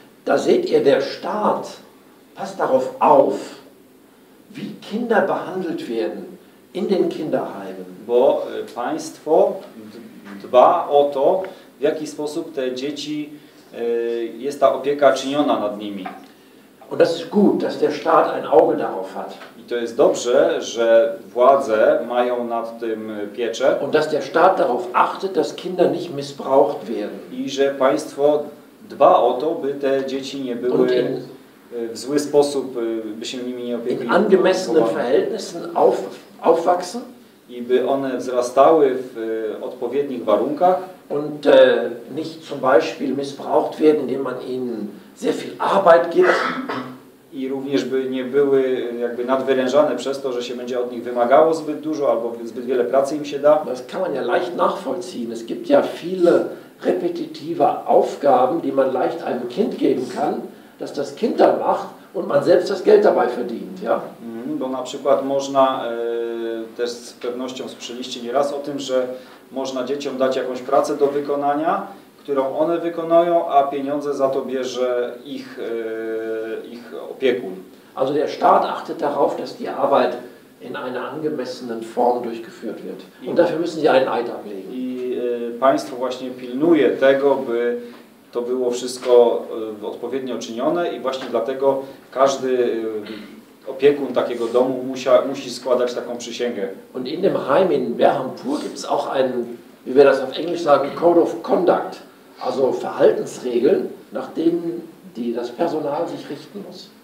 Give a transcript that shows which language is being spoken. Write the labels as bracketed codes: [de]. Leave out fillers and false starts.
[de] Da seht ihr, der Staat passt darauf auf, wie Kinder behandelt werden in den Kinderheimen. [pl] Bo państwo dba o to, w jaki sposób te dzieci, jest ta opieka czyniona nad nimi. [de] Und das ist gut, dass der Staat ein Auge darauf hat. [pl] I to jest dobrze, że władze mają nad tym pieczę. [de] Und dass der Staat darauf achtet, dass Kinder nicht missbraucht werden. [pl] I że państwo dba o to, by te dzieci nie były w zły sposób, by się nimi nie opiekowali. [de] In angemessenen Verhältnissen aufwachsen. [pl] I by one wzrastały w odpowiednich warunkach. [de] Und nicht zum Beispiel missbraucht werden, indem man ihnen sehr viel Arbeit gibt. [pl] I również by nie były jakby nadwyrężane przez to, że się będzie od nich wymagało zbyt dużo albo zbyt wiele pracy im się da. [de] Das kann man ja leicht nachvollziehen. Es gibt ja viele repetitive Aufgaben, die man leicht einem Kind geben kann, dass das Kind dann macht und man selbst das Geld dabei verdient, ja? [pl] Bo na przykład można też z pewnością słyszeliście nieraz o tym, że można dzieciom dać jakąś pracę do wykonania, którą one wykonają, a pieniądze za to bierze ich, ich opiekun. [de] Also der Staat achtet darauf, dass die Arbeit in einer angemessenen Form durchgeführt wird. Und dafür müssen sie einen Eid ablegen. [pl] I państwo właśnie pilnuje tego, by to było wszystko odpowiednio czynione i właśnie dlatego każdy opiekun takiego domu musi składać taką przysięgę. [de] Und in dem Heim in Berhampur gibt es auch einen, wie wir das auf Englisch sagen, [en] Code of Conduct, [de] also Verhaltensregeln, nach denen die das Personal sich richten muss.